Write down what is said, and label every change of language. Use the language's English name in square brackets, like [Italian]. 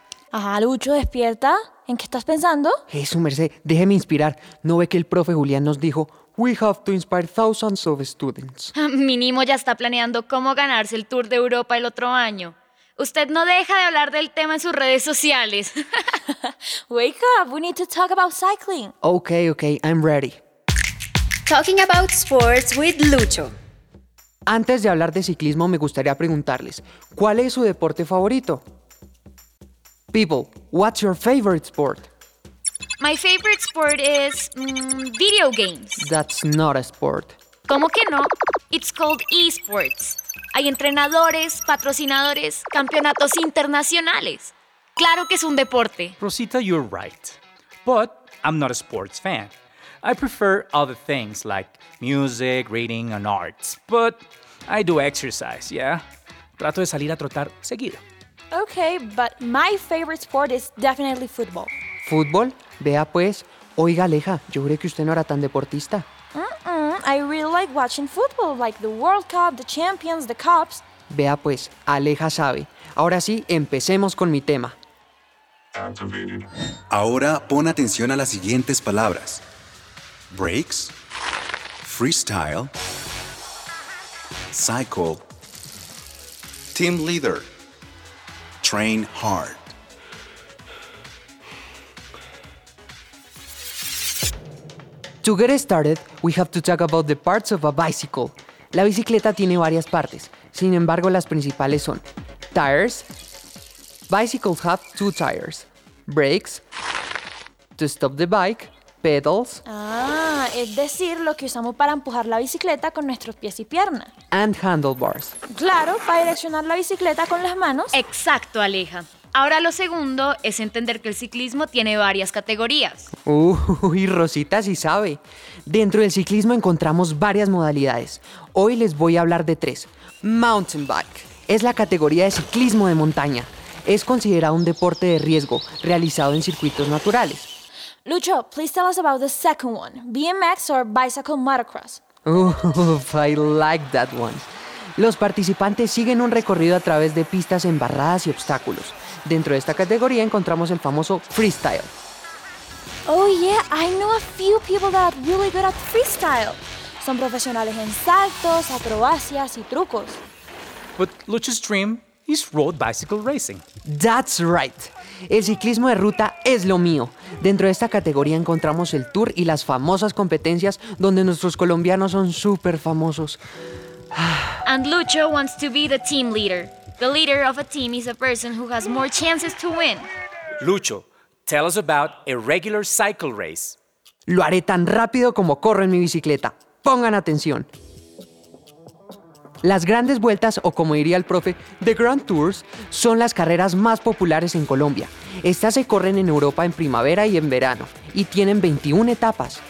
[Spanish] Ajá, Lucho, despierta. ¿En qué estás pensando? Su merced, déjeme inspirar. ¿No ve que el profe Julián nos dijo, [English] we have to inspire thousands of students? [Spanish] Mínimo ya está planeando cómo ganarse el Tour de Europa el otro año. Usted no deja de hablar del tema en sus redes sociales. [English] Wake up, we need to talk about cycling. Okay, I'm ready. Talking about sports with Lucho. [Spanish] Antes de hablar de ciclismo, me gustaría preguntarles, ¿cuál es su deporte favorito? [English] People, what's your favorite sport? My favorite sport is video games. That's not a sport. [Spanish] ¿Cómo que no? [English] It's called esports. [Spanish] Hay entrenadores, patrocinadores, campeonatos internacionales. Claro que es un deporte. [English] Rosita, you're right. But I'm not a sports fan. I prefer other things like music, reading, and arts. But I do exercise, yeah? [Spanish] Trato de salir a trotar seguido. [English] Okay, but my favorite sport is definitely football. [Spanish] ¿Fútbol? Vea pues. Oiga, Aleja, yo creo que usted no era tan deportista. [English] I really like watching football, like the World Cup, the Champions, the Cups. [Spanish] Vea pues, Aleja sabe. Ahora sí, empecemos con mi tema. Ahora pon atención a las siguientes palabras. [English] Breaks, freestyle, cycle, team leader, train hard. To get started, we have to talk about the parts of a bicycle. [Spanish] La bicicleta tiene varias partes, sin embargo, las principales son tires. [English] Bicycles have two tires. Brakes, to stop the bike, pedals. [Spanish] Ah, es decir, lo que usamos para empujar la bicicleta con nuestros pies y piernas. [English] And handlebars. [Spanish] Claro, para direccionar la bicicleta con las manos. Exacto, Aleja. Ahora lo segundo es entender que el ciclismo tiene varias categorías. Uy, Rosita sí sabe. Dentro del ciclismo encontramos varias modalidades. Hoy les voy a hablar de tres. Mountain bike es la categoría de ciclismo de montaña. Es considerado un deporte de riesgo realizado en circuitos naturales. [English] Lucho, please tell us about the second one, BMX or bicycle motocross. Oof, I like that one. [Spanish] Los participantes siguen un recorrido a través de pistas embarradas y obstáculos. Dentro de esta categoría encontramos el famoso freestyle. [English] Oh yeah, I know a few people that are really good at freestyle. [Spanish] Son profesionales en saltos, acrobacias y trucos. [English] But Lucho's dream is road bicycle racing. That's right. [Spanish] El ciclismo de ruta es lo mío. Dentro de esta categoría encontramos el tour y las famosas competencias donde nuestros colombianos son súper famosos. [English] And Lucho wants to be the team leader. The leader of a team is a person who has more chances to win. Lucho, tell us about a regular cycle race. [Spanish] Lo haré tan rápido como corro en mi bicicleta. Pongan atención. Las grandes vueltas, o como diría el profe, the Grand Tours, son las carreras más populares en Colombia. Estas se corren en Europa en primavera y en verano, y tienen 21 etapas.